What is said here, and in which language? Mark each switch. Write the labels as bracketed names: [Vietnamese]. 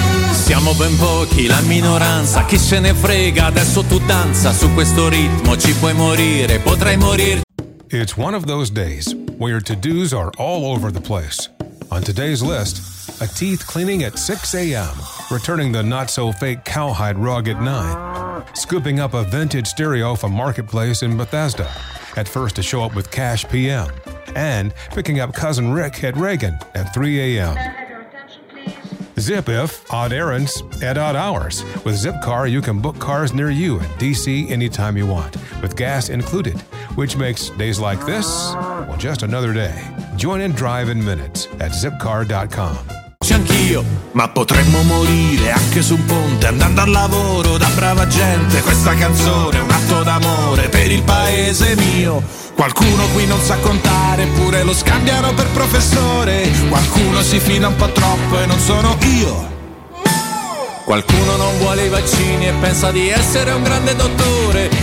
[Italian] Siamo ben pochi, la minoranza, chi se ne frega, adesso tu danza su questo ritmo, ci puoi morire, potrai morirci. [English] It's one of those days where your to-dos are all over the place. On today's list, a teeth cleaning at 6 a.m., returning the not-so-fake cowhide rug at 9, scooping up a vintage stereo from Marketplace in Bethesda, at first to show up with cash PM, and picking up cousin Rick at Reagan at 3 a.m. Zip if, odd errands, at odd hours. With Zipcar, you can book cars near you in D.C. anytime you want, with gas included, which makes days like this, well, just another day. Join and drive in minutes at zipcar.com. [Italian] Anch'io, ma potremmo morire anche su un ponte andando al lavoro da brava gente. Questa canzone è un atto d'amore per il paese mio. Qualcuno qui non sa contare, pure lo scambiano per professore. Qualcuno si fida un po' troppo e non sono io. Qualcuno non vuole i vaccini e pensa di essere un grande dottore.